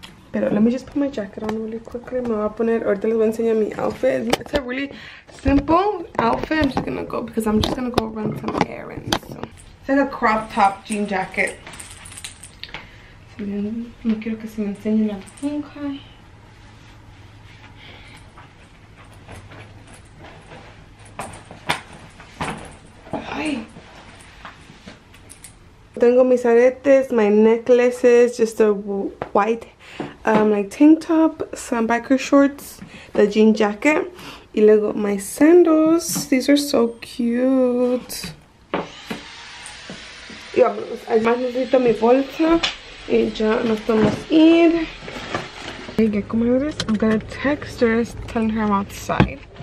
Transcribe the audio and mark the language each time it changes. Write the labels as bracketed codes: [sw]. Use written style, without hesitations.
[es] Pero [en] let me just put my jacket on really quickly. [es] Me voy a poner, ahorita les voy a enseñar mi outfit. [en] It's a really simple outfit. I'm just gonna go because I'm just gonna go run some errands. So. It's like a crop top jean jacket. [es] No quiero que se me enseñe la pinca. Tengo mis aretes, [en] my necklaces, just a white like tank top, some biker shorts, the jean jacket, [es] y luego [en] my sandals. These are so cute. [es] Y vamos, además necesito mi bolsa y ya nos vamos a ir. [en] Hey, comadres, I'm gonna text her telling her I'm outside.